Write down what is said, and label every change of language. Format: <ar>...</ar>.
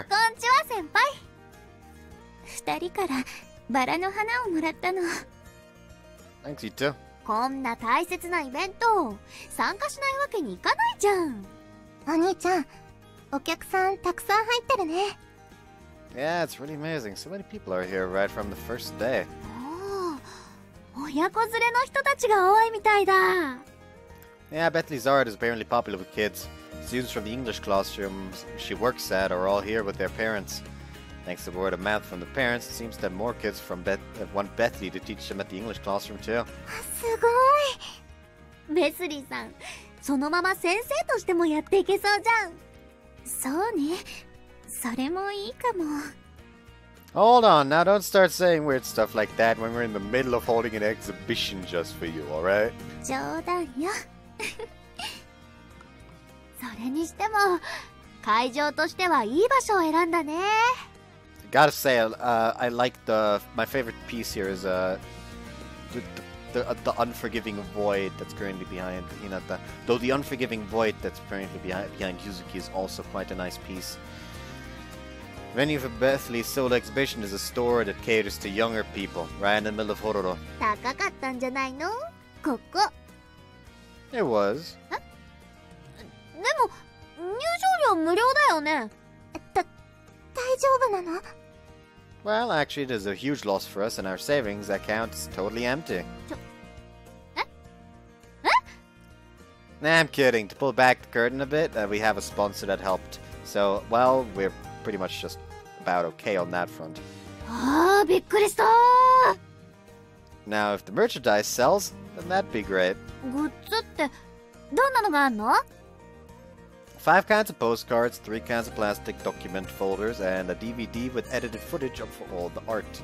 <ja>こんにちは、先輩。二人からバラの花をもらったの。</ja> <en>Thanks, you too.</en> <ja>こんな大切なイベント参加しないわけにいかないじゃん。お兄ちゃん、お客さんたくさん入ってるね。</ja> <en>Yeah, it's really amazing. So many people are here right from the first day.</en> <ja>おー、親子連れの人たちが多いみたいだ。</ja> <en>Yeah, Bethly's art is apparently popular with kids. Students from the English classroom she works at are all here with their parents. Thanks to word of mouth from the parents, it seems that more kids from want Bethly to teach them at the English classroom too.</en> <ja>すごい。ベスリーさん、そのまま先生としてもやっていけそうじゃん。そうね。それもいいかも。</ja> <en>Hold on, now don't start saying weird stuff like that when we're in the middle of holding an exhibition just for you, alright?</en> <ja>冗談よ。それにしても、会場としてはいい場所を選んだね。</ja> <en>Gotta say, I like the... My favorite piece here is the unforgiving void that's currently behind Hinata. Though the unforgiving void that's currently behind Yuzuki is also quite a nice piece. Venue for Bethly's sole exhibition is a store that caters to younger people, right in the middle of Hororo.</en> <ja>高かったんじゃないの? ここ。</ja> <en>It was.</en> <ja>え? でも、入場料無料だよね。大丈夫なの?</ja> <en>Well, actually, it is a huge loss for us, and our savings account is totally empty. Nah, I'm kidding. To pull back the curtain a bit, we have a sponsor that helped. So, well, we're pretty much just about okay on that front.</en> <ja>Oh, びっくりした!</ja> <en>Now, if the merchandise sells, then that'd be great.</en> <ja>グッズって、どんなのがあるの?</ja> <en>5 kinds of postcards, 3 kinds of plastic document folders, and a DVD with edited footage of all the art.</en>